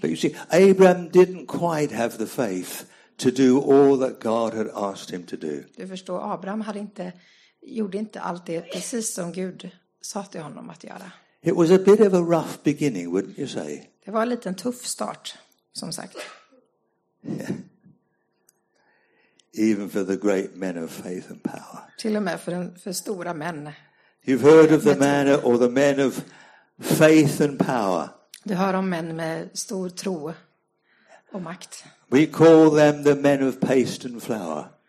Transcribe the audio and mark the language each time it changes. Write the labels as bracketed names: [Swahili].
[English] But you see, Abraham didn't quite have the faith to do all that God had asked him to do. [Swedish] Du förstår, Abraham gjorde inte allt det precis som Gud sa till honom att göra. [English] It was a bit of a rough beginning, wouldn't you say? [Swedish] Det var en liten tuff start, som sagt. [English] Even for the great men of faith and power. [Swedish] Till och med för stora män. [English] You've heard of the man or the men of faith and power. [Swedish] Du hör om män med stor tro och makt. [English] We call them the men of paste and flour.